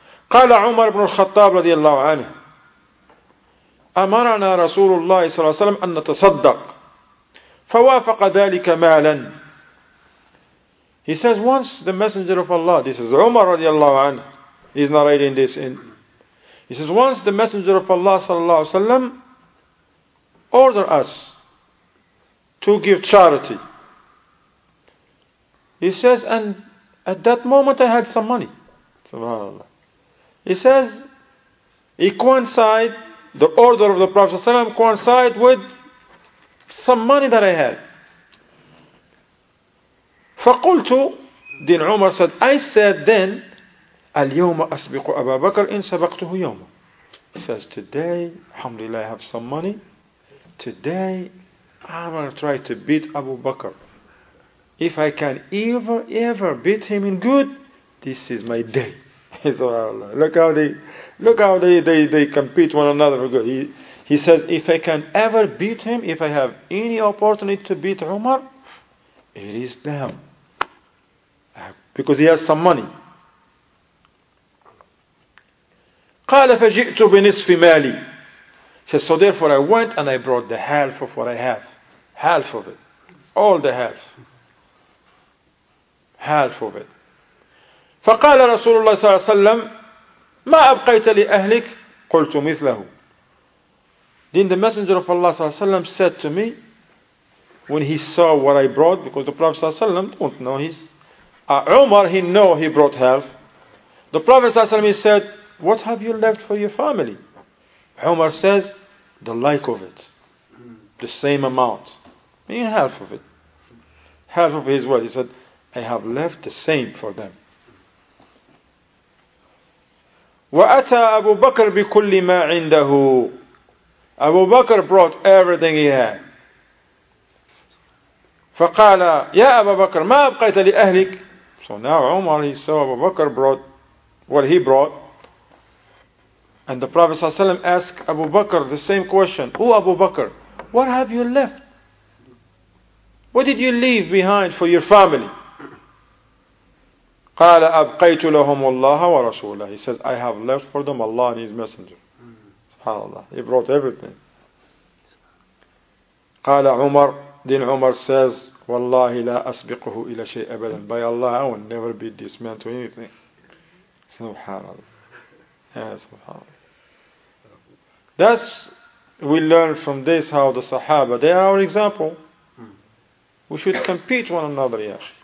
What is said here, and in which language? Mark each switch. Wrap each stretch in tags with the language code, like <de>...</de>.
<ar>قال عمر بن الخطاب رضي الله عنه. أمرنا رسول الله صلى الله عليه وسلم أن نتصدق. فوافق ذلك مالا.</ar> <en>He says once the messenger of Allah. This is Umar رضي الله عنه. He's narrating this in. He says once the messenger of Allah صلى الله عليه وسلم order us to give charity. He says, and at that moment I had some money. Subhanallah. He says, it coincided, the order of the Prophet ﷺ coincided with some money that I had. فَقُلْتُ, then Umar said, I said then, أَلْيَوْمَ أَسْبِقُ أَبَا بَكَرْ إِنْ سَبَقْتُهُ يَوْمًا. He says, today, alhamdulillah, I have some money. Today, I'm going to try to beat Abu Bakr. If I can ever beat him in good, this is my day. look how they compete one another for good. He says, if I can ever beat him, if I have any opportunity to beat Umar, it is them. Because he has some money.</en> <ar>قَالَ فَجِئْتُ بِنِصْفِ مَالِي.</ar> <en>He says, so therefore I went and I brought the half of what I have. Half of it. All the half. Half of it.</en> <ar>فقال رسول الله صلى الله عليه وسلم ما أبقيت لأهلك قلت مثله.</ar> <en>Then the messenger of Allah صلى الله عليه وسلم said to me, when he saw what I brought, because the Prophet صلى الله عليه وسلم don't know his. Umar, he know he brought half. The Prophet صلى الله عليه وسلم, he said, what have you left for your family? Umar says, the like of it. The same amount. Meaning half of it. Half of his wealth. He said, I have left the same for them.</en> <ar>وَأَتَى أَبُو بَكْر بِكُلِّ مَا عِنْدَهُ.</ar> <en>Abu Bakr brought everything he had.</en> <ar>فَقَالَ يَا أَبَا بَكْر مَا أَبْقَيْتَ لِأَهْلِكَ.</ar> <en>So now Umar, he saw Abu Bakr brought what he brought. And the Prophet ﷺ asked Abu Bakr the same question. O Abu Bakr, what have you left? What did you leave behind for your family?</en> <ar>قال أبقيت لهم الله ورسوله.</ar> <en>He says, I have left for them Allah and His Messenger. SubhanAllah. He brought everything.</en> <ar>قال عمر.</ar> <en>Then Umar says,</en> <ar>والله لا أسبقه إلى شيء أبدا.</ar> <en>By Allah, I will never beat this man to anything. SubhanAllah. Yeah, SubhanAllah. Thus, we learn from this how the Sahaba, they are our example. We should compete one another, yeah.</en>